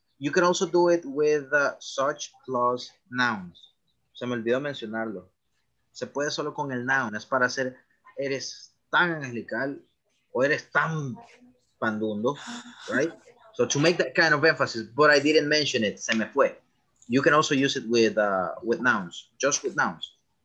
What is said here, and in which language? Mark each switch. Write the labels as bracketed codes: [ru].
[en] You can also do it with such plus nouns. [es] Se me olvidó mencionarlo. Se puede solo con el noun. Es para hacer, eres tan angelical o eres tan pandundo, right? [en] So to make that kind of emphasis, but I didn't mention it, [es] se me fue. [en] You can also use it with nouns, just with nouns.